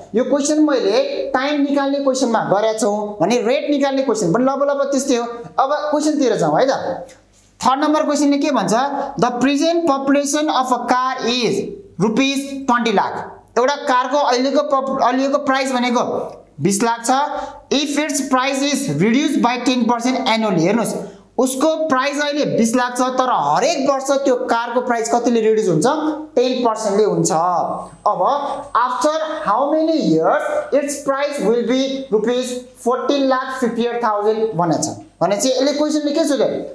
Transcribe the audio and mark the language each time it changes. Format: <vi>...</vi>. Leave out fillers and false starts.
<ne>यो क्वेशन मैले टाइम निकाल्ने क्वेशनमा गरे छौ भने रेट निकाल्ने क्वेशन पनि लबलब त्यस्तै हो. अब क्वेशन तिर जाउ है त. थर्ड नम्बर क्वेशनले के भन्छ,</ne> <en>The present population of a car is ₹20 lakh.</en> <ne>एउटा कारको अहिलेको प्राइस भनेको 20 lakh cha.</ne> <en>If its price is reduced by 10% annually,</en> <ne>hernus. उसको प्राइस अहिले 20 लाख छ तर हरेक वर्ष त्यो कारको प्राइस कतिले रिड्युस हुन्छ 10% ले हुन्छ अब</ne> <en>after how many years its price will be rupees 14,50,000</en> <ne>भनेछ भने चाहिँ यसले क्वेशनले के सोध्यो</ne>